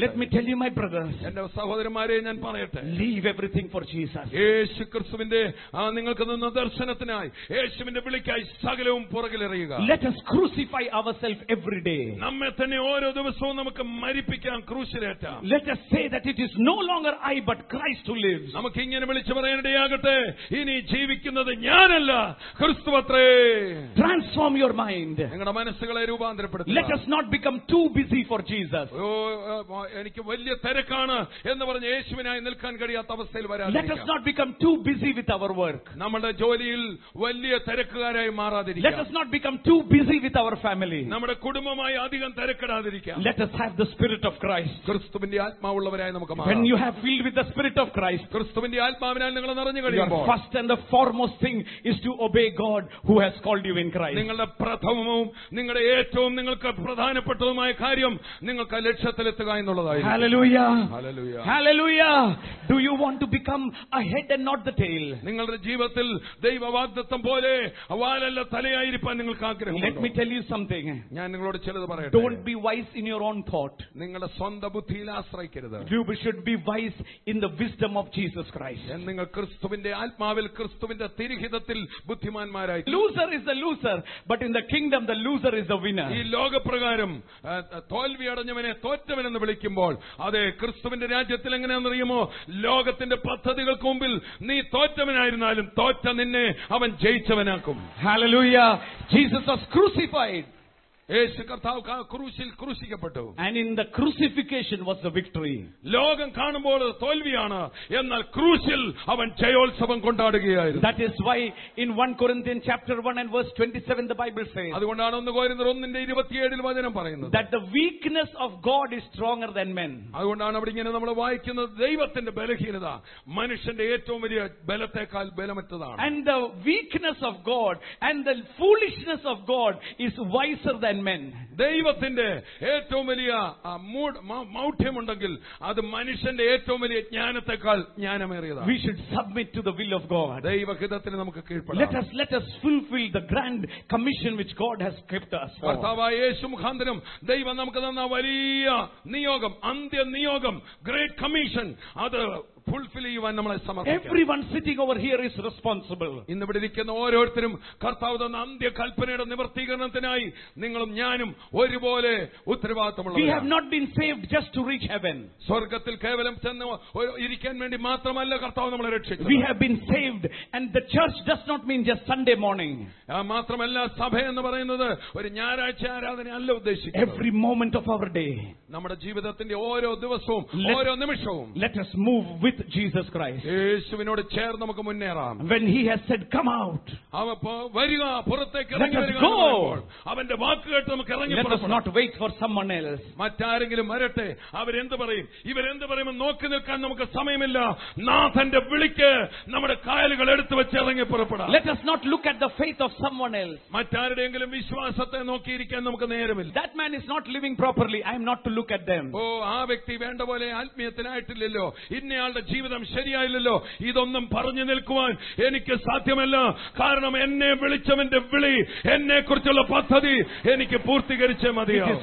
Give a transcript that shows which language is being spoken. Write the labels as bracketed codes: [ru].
[en] Let me tell you my brothers. [ml] എന്റെ സഹോദരന്മാരെ ഞാൻ പറയട്ടെ. [en] Leave everything for Jesus. [ml] യേശുക്രിസ്തുവിന്റെ ആ നിങ്ങൾക്ക് തന്ന ദർശനത്തിനായി യേശുവിന്റെ വിളിക്കായി സകലവും പുറകിലിറങ്ങുക. [en] Let us crucify ourselves every day. [ml] നമ്മെ തന്നെ ഓരോ ദിവസവും നമുക്ക് മരിപ്പിക്കാം, ക്രൂശിലേറ്റാം. [en] Let us say that it is no longer I but Christ who lives. [ml] നമുക്ക് ഇങ്ങനെ വിളിച്ചു പറയാനിടയാകട്ടെ, ഇനി ജീവിക്കുന്നത് ഞാനല്ല, ക്രിസ്തുവത്രേ. [en] Transform your mind. [ml] നിങ്ങളുടെ മനസ്സുകളെ രൂപാന്തരപ്പെടുത്തുക. [en] Let us not become too busy for Jesus. [ml] എനിക്ക് വലിയ തിരക്കാണ് എന്ന് പറഞ്ഞ് യേശുവിനായി നിൽക്കാൻ കഴിയാത്ത അവസ്ഥയിൽ വരാതിരിക്കുക. [en] Let us not become too busy with our work. [ml] നമ്മുടെ ജോലിയിൽ വലിയ തിരക്കുകാരായി മാറാതിരിക്കുക. [en] Let us not become too busy with our family. [ml] നമ്മുടെ കുടുംബമായി അധികം തിരക്കിടാതിരിക്കുക. [en] Let us have the spirit of Christ. [ml] ക്രിസ്തുവിന്റെ ആത്മാവുള്ളവരായി നമുക്ക് മാറാം. [en] When you have filled with the spirit of Christ, [ml] ക്രിസ്തുവിന്റെ ആത്മാവിനാൽ നിങ്ങൾ നിറഞ്ഞു കഴിയുമ്പോൾ, [en] first and the foremost thing is to obey God who has called you in Christ. [ml] നിങ്ങളുടെ പ്രഥമവും നിങ്ങളുടെ ഏറ്റവും നിങ്ങൾക്ക് പ്രധാനപ്പെട്ടതുമായ കാര്യം നിങ്ങൾക്ക് ലക്ഷ്യത്തിലെത്തുക എന്നുള്ളതായിരുന്നു. [en] Hallelujah. Do you want to become a head and not the tail? [ml] നിങ്ങളുടെ ജീവിതത്തിൽ ദൈവവാഗ്ദത്തം പോലെ വാലല്ല തലയായിരിക്കാൻ നിങ്ങൾക്ക് ആഗ്രഹമുണ്ട്. [en] Let me tell you something. [ml] ഞാൻ നിങ്ങളോട് ചിലത് പറയട്ടെ. [en] Don't be wise in your own thought. [ml] നിങ്ങളുടെ സ്വന്തം ബുദ്ധിയിൽ ആശ്രയിക്കരുത്. [en] You should be wise in the wisdom of Jesus Christ. [ml] നിങ്ങൾ ക്രിസ്തുവിന്റെ ആത്മാവിൽ ക്രിസ്തുവിന്റെ തിരിഹിതത്തിൽ ബുദ്ധിമാന്മാരായി. [en] Loser is the loser, but in the kingdom the loser is the winner. [ml] ഈ ലോകപ്രകാരം തോൽവി അടഞ്ഞവനെ തോറ്റവൻ എന്ന് വിളിക്കുമ്പോൾ, അതേ ക്രിസ്തുവിന്റെ രാജ്യത്തിൽ എങ്ങനെയാണെന്ന് അറിയുമോ, ലോകത്തിന്റെ പദ്ധതികൾക്ക് മുമ്പിൽ നീ തോറ്റവനായിരുന്നാലും തോറ്റ നിന്നെ അവൻ ജയിച്ചവനാക്കും. [en] Hallelujah. Jesus was crucified. [ml] യേശു കർത്താവ് ക്രൂശിൽ ക്രൂശിക്കപ്പെട്ടു. [en] And in the crucifixion was the victory. [ml] ലോകം കാണുമ്പോൾ തോൽവിയാണ്, എന്നാൽ ക്രൂശിൽ അവൻ ജയോത്സവം കൊണ്ടാടുകയായിരുന്നു. [en] That is why in 1 Corinthians chapter 1 and verse 27 the Bible says. [ml] അതുകൊണ്ടാണ് 1 കൊരിന്ത്യർ 1:27 ൽ വചനം പറയുന്നത്. [en] That the weakness of God is stronger than men. [ml] അതുകൊണ്ടാണ് അവിടെ ഇങ്ങനെ നമ്മൾ വായിക്കുന്നത്, ദൈവത്തിന്റെ ബലഹീനത മനുഷ്യന്റെ ഏറ്റവും വലിയ ബലത്തേക്കാൾ ബലമറ്റതാണ്. [en] And the weakness of God and the foolishness of God is wiser than men. [ml] ദൈവത്തിന്റെ ഏറ്റവും വലിയ മൗഢ്യമുണ്ടെങ്കിൽ അത് മനുഷ്യന്റെ ഏറ്റവും വലിയ ജ്ഞാനത്തെക്കാൾ ജ്ഞാനമേറിയതാണ്. [en] We should submit to the will of God. [ml] ദൈവഹിതത്തിന് നമുക്ക് കീഴ്പ്പെടാം. [en] Let us fulfill the grand commission which God has kept us for. [ml] കർത്താവായ യേശു മുഖാന്തരം ദൈവം നമുക്ക് തന്ന വലിയ നിയോഗം, അന്ത്യ നിയോഗം, ഗ്രേറ്റ് കമ്മീഷൻ, അത് ഫുൾഫിൽ ചെയ്യുവാൻ നമ്മളെ സമർപ്പിക്കും. [en] Everyone sitting over here is responsible. [ml] ഇന്ന് ഇവിടെ ഇരിക്കുന്ന ഓരോരുത്തരും കർത്താവ് തന്ന അന്ത്യ കൽപ്പനയുടെ നിവർത്തീകരണത്തിനായി നിങ്ങളും ഞാനും ഒരുപോലെ ഉത്തരവാദിത്തമുള്ള. [en] We have not been saved just to reach heaven. [ml] സ്വർഗത്തിൽ കേവലം ചെന്ന് ഇരിക്കാൻ വേണ്ടി മാത്രമല്ല കർത്താവ് നമ്മളെ രക്ഷിച്ചത്. [en] We have been saved and the church does not mean just Sunday morning. [ml] മാത്രമല്ല സഭ എന്ന് പറയുന്നത് ഒരു ഞായറാഴ്ച ആരാധന അല്ല ഉദ്ദേശിക്കുന്നത്. [en] Every moment of our day. [ml] നമ്മുടെ ജീവിതത്തിന്റെ ഓരോ ദിവസവും ഓരോ നിമിഷവും. [en] Let us move with Jesus Christ. [ml] യേശുവിനോട് ചേർന്ന് നമുക്ക് മുന്നേറാം. [en] When he has said come out. [ml] അവൻ വരിക പുറത്തേക്ക് ഇറങ്ങിവരിക. അവന്റെ വാക്ക് കേട്ട് നമുക്ക് ഇറങ്ങി പോകണം. [en] Let us not wait for someone else. [ml] മറ്റാരെങ്കിലും വരട്ടെ അവരെന്ത് പറയും ഇവരെന്ത് പറയുമെന്ന് നോക്കി നിൽക്കാൻ നമുക്ക് സമയമില്ല. നാഥന്റെ വിളിക്ക് നമ്മുടെ കായലുകൾ എടുത്തു വെച്ച് ഇറങ്ങി പുറപ്പെടാം. [en] Let us not look at the faith of someone else. [ml] മറ്റാരുടെയെങ്കിലും വിശ്വാസത്തെ നോക്കിയിരിക്കാൻ നമുക്ക് നേരമില്ല. [en] That man is not living properly. I am not to look at them. [ml] ഓ ആ വ്യക്തി വേണ്ട പോലെ ആത്മീയത്തിനായിട്ടില്ലല്ലോ, ഇന്നയാളുടെ ജീവിതം ശരിയായില്ലല്ലോ, ഇതൊന്നും പറഞ്ഞു നിൽക്കുവാൻ എനിക്ക് സാധ്യമല്ല. കാരണം എന്നെ വിളിച്ചവന്റെ വിളി, എന്നെ കുറിച്ചുള്ള പദ്ധതി എനിക്ക് പൂർത്തീകരിച്ചേ മതിയാവും.